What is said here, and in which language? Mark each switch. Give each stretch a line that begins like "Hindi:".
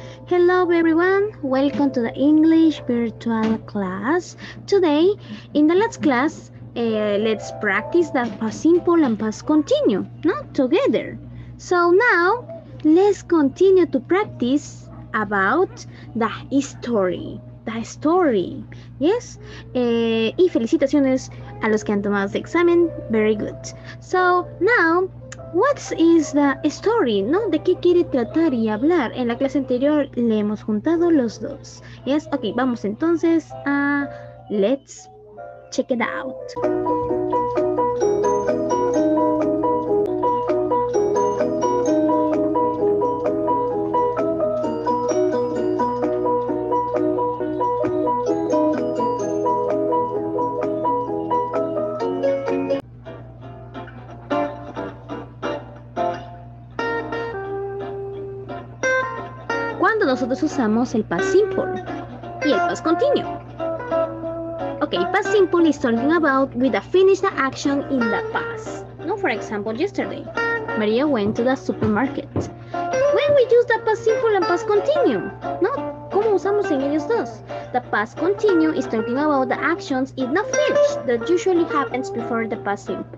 English: Hello, everyone. Welcome to the English virtual class. Today, in the last class, let's practice the past simple and past continue, not together. So now, let's continue to practice about the history. The story, yes?
Spanish: Y felicitaciones a los que han tomado el examen.
English: Very good. So, now, what is the story, no?
Spanish: ¿De qué quiere tratar y hablar? En la clase anterior le hemos juntado los dos. Yes? Ok, vamos entonces a...
English: Let's check it out.
Spanish: Nosotros usamos el past simple y el past continuo.
English: Ok, past simple is talking about with a finished action in the past. No, for example, yesterday, Maria went to the supermarket. When we use the past simple and past continuo, no,
Spanish: ¿cómo usamos en ellos dos?
English: The past continuo is talking about the actions if not finished that usually happens before the past simple.